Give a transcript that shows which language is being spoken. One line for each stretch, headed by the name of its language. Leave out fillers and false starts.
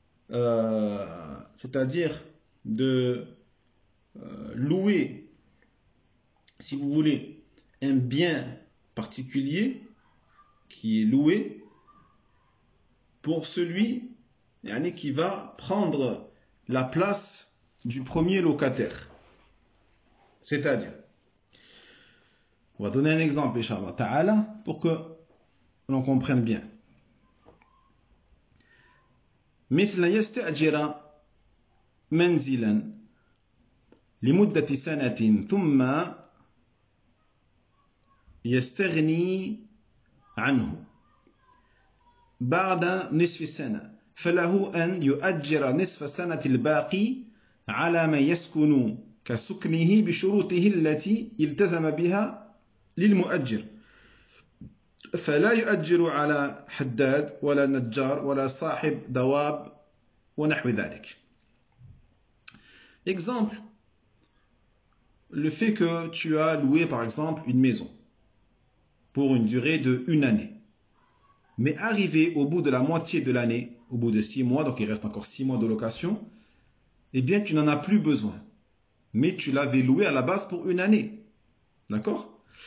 French: C'est-à-dire de louer, si vous voulez, un bien particulier qui est loué pour celui yani, qui va prendre la place du premier locataire. C'est-à-dire, on va donner un exemple, inshallah ta'ala, pour que l'on comprenne bien.
Arabic: مثل يستأجر منزلا لمدة سنة ثم يستغني عنه بعد نصف سنة فله أن يؤجر نصف سنة الباقي على من يسكن كسكنه بشروطه التي التزم بها للمؤجر فلا يؤجر على حداد ولا نجار ولا صاحب دواب ونحو ذلك.
French: Exemple, le fait que tu as loué par exemple une maison pour une durée de une année, mais arrivé au bout de la moitié de l'année, au bout de six mois, donc il reste encore six mois de location, eh bien tu n'en as plus besoin, mais tu l'avais loué à la base pour une année, d'accord?